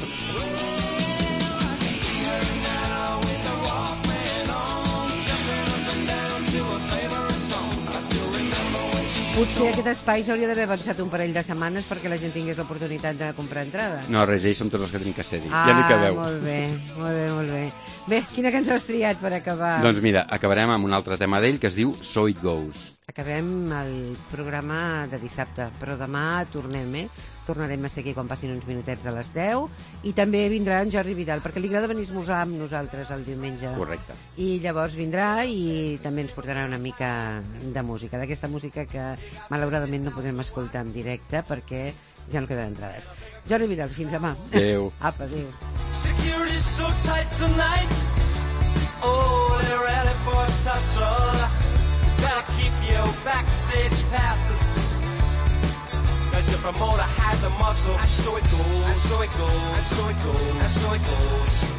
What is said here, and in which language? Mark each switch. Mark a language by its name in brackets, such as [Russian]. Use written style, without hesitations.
[English] Oh, I can see her now with the Walkman on, jumping up and down to a favorite song. I still remember when she [Catalan] Potser aquest espai s'hauria d'haver avançat un parell de setmanes perquè la gent tingués l'oportunitat de comprar entrades. No, res, ells som tots els que tenim que ser-hi. Ah, ja n'hi cabeu. Molt bé, molt bé, molt bé. Bé, quina cançó has triat per acabar? Doncs mira, acabarem amb un altre tema d'ell que es diu So It Goes. Acabem el programa de dissabte, però demà tornem, eh? Tornarem a seguir quan passin uns minutets de les 10 i també vindrà en Jordi Vidal, perquè li agrada venir a esmorzar amb nosaltres el diumenge. Correcte. I llavors vindrà i també ens portarà una mica de música, d'aquesta música que malauradament no podrem escoltar en directe perquè ja no queden entrades. Jordi Vidal, fins demà. Adéu. Apa, adéu. [English] Security's so tight tonight. Oh, they're ready for tussle. Gotta keep your backstage passes. As your promoter had the muscle. And so it goes. And so it goes. And so it goes. And so it goes.